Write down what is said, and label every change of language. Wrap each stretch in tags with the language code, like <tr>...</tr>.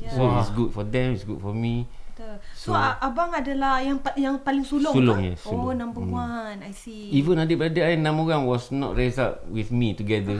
<en>Yeah. So it's good for them, it's good for me. So,</en> <ms>abang adalah yang paling sulung, sulung kan?</ms> <en>Yes, sulung. Oh, number one. I see. Even</en> <ms>adik-beradik saya, 6 orang</ms> <en>was not raised up with me together.</en>